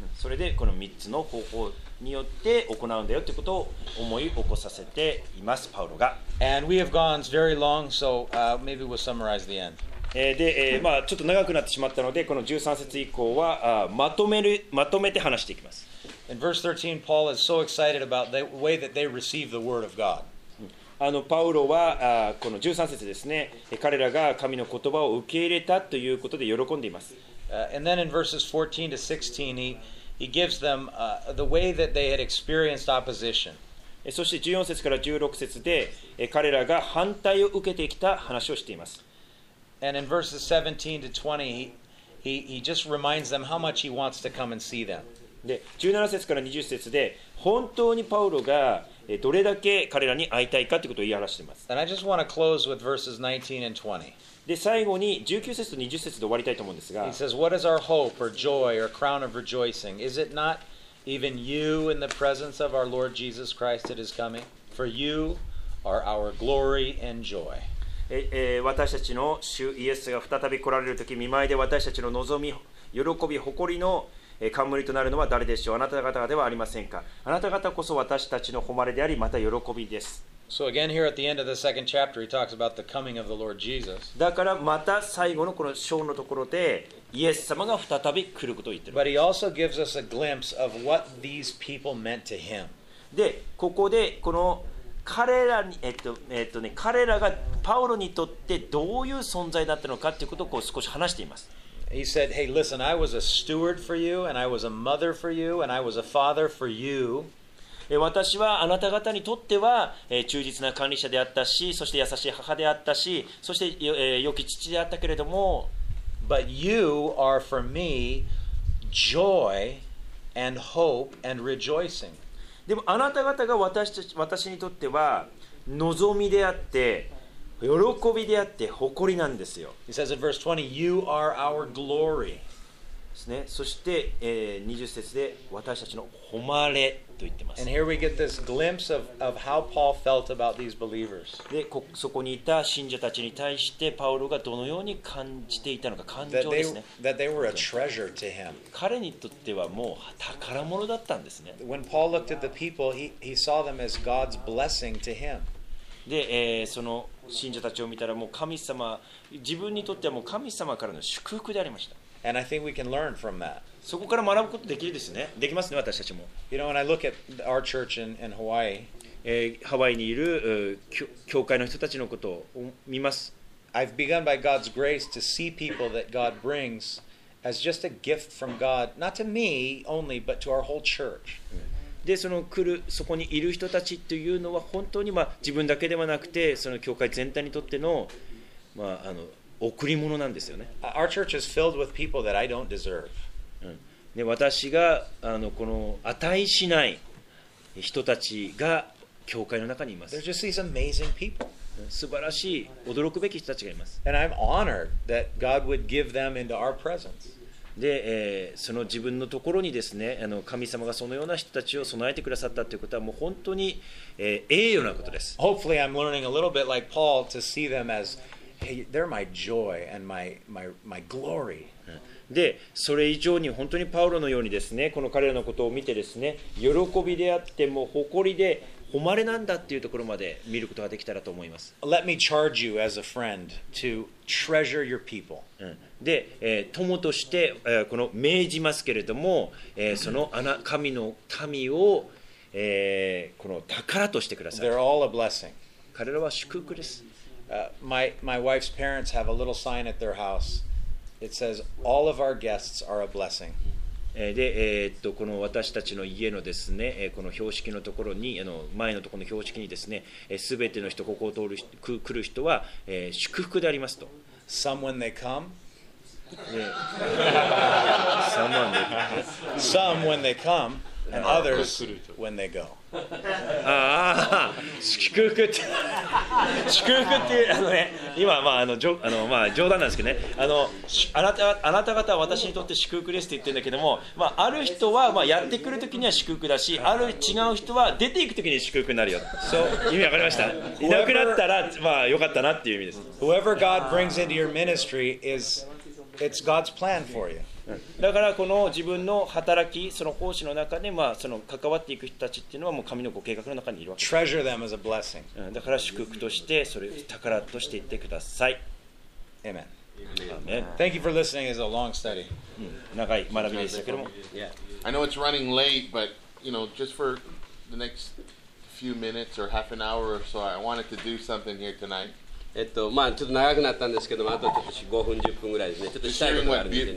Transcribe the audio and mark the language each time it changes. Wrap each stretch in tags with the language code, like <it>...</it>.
<ja>それでこの3つの方法によって行うんだよってことを思い起こさせています、パウロが。</ja> <en>And we have gone very long, so maybe we'll summarize the end.</en> <ja>で、まあ、ちょっと長くなってしまったので、この13節以降はまとめて話していきます。</ja> <en>In verse 13, Paul is so excited about the way that they receive the word of God.</en> <ja>あのパウロはこの13節ですね、彼らが神の言葉を受け入れたということで喜んでいます。</ja> <en>And then in verses 14 to 16, He gives them the way that they had experienced opposition.</en> <ja>そして14節から16節で彼らが反対を受けてきた話をしています。</ja> <en>And in verses 17 to 20, he just reminds them how much he wants to come and see them.</en> <ja>で17節から20節で本当にパウロがどれだけ彼らに会いたいかということを言い表しています。</ja> <en>And I just want to close with verses 19 and 20.</en> <ja>で最後に19節と20節で終わりたいと思うんですが、</ja> <en>He says, What is our hope or joy or crown of rejoicing? Is it not even you in the presence of our Lord Jesus Christ that is coming? For you are our glory and joy.</en> <ja>私たちの主イエスが再び来られるとき、見舞いで私たちの望み、喜び、誇りの冠となるのは誰でしょう？あなた方ではありませんか？あなた方こそ私たちの誉れであり、また喜びです。</ja> <en>So again here at the end of the second chapter he talks about the coming of the Lord Jesus.</en> <ja>だからまた最後のこの章のところでイエス様が再び来ることを言ってる。</ja> <en>But he also gives us a glimpse of what these people meant to him.</en> <ja>で、ここでこの彼らに、ね、彼らがパウロにとってどういう存在だったのかということをこう少し話しています。</ja> <en>He said, "Hey, listen, I was a steward for you and I was a mother for you and I was a father for you."</en> <ja>私はあなた方にとっては忠実な管理者であったし、そして優しい母であったし、そして良き父であったけれども、</ja> <en>But you are for me joy and hope and rejoicing.</en> <ja>でもあなた方が私にとっては望みであって喜びであって誇りなんですよ。</ja> <en>He says in verse 20, "You are our glory."</en> <ja>ですね。そして、20節で私たちの誉れと言ってます。</ja> <en>And here we get this glimpse of how Paul felt about these believers.</en> <ja>で、そこにいた信者たちに対してパウロがどのように感じていたのか、感情ですね。</ja> <en>That they were a treasure to him.</en> <ja>彼にとってはもう宝物だったんですね。</ja> <en>When Paul looked at the people, he saw them as God's blessing to him.</en> <ja>で、その信者たちを見たらもう神様、自分にとってはもう神様からの祝福でありました。</ja> <en>And I think we can learn from that.</en> <ja>そこから学ぶことできるですね。できますね、私たちも。</ja> <en>You know, when I look at our church in Hawaii,</en> <ja>ハワイにいる教会の人たちのことを見ます。</ja> <en>I've begun by God's grace to see people that God brings as just a gift from God, not to me only, but to our whole church.</en> <ja>でその来るそこにいる人たちというのは本当に、まあ、自分だけではなくてその教会全体にとっての、まあ、あの贈り物なんですよね。</ja> <en>Our church is filled with people that I don't deserve.</en> <ja>で私があのこの値しない人たちが教会の中にいます。</ja> <en>There's just these amazing people.</en> <ja>素晴らしい驚くべき人たちがいます。</ja> <en>And I'm honored that God would give them into our presence.</en> <ja>で、その自分のところにですね、あの神様がそのような人たちを備えてくださったということはもう本当に、栄誉なことです。</ja> <en>Hopefully I'm learning a little bit like Paul to see them as, hey, they're my joy and my glory.</en> <ja>で、それ以上に本当にパウロのようにですね、この彼らのことを見てですね、喜びであっても誇りで誉れなんだっていうところまで見ることができたらと思います。</ja> <en>Let me charge you as a friend to treasure your people.</en> <ja>で、友として、この命じますけれども、その神の民を、この宝としてください。</ja> <en>They're all a blessing.</en> <ja>彼らは祝福です。</ja> <en>My wife's parents have a little sign at their house. It says, all of our guests are a blessing.</en> <ja>で、この私たちの家のですね、この標識のところに、あの前のところの標識にですね、すべての人、ここを通る人、来る人は、祝福でありますと。</ja> <en>Some when they come, Someone. Some when they come, and others when they go.</en> <ja>Ah, 祝福って祝福ってあのね、今まああのまあ冗談なんですけどね、あなた方は私にとって祝福ですって言ってるんだけども、まあある人はまあやってくるときには祝福だし、ある違う人は出ていくときに祝福になるよ。</ja> <en>So,</en> <ja>意味わかりました。いなくなったらまあ良かったなっていう意味です。</ja> <en>Whoever God brings into your ministry is. It's God's plan for you.</en> <ja>だからこの自分の働き、その奉仕の中で、まあ、その関わっていく人たちっていうのはもう神のご計画の中にいるわけです。</ja> <en>Treasure them as a blessing.</en> <ja>だから祝福としてそれ宝としていってください。</ja> <en>Amen. Amen. Thank you for listening. It's a long study.</en> <ja>長い学びでしたけども。</ja> <en>Yeah. I know it's running late, but you know, just for the next few minutes or half an hour or so, I wanted to do something here tonight.</en> <ja>まあ、ちょっと長くなったんですけども、あとちょっと5分、10分ぐらいですね。ちょっとしたいことがあるんでね。</ja>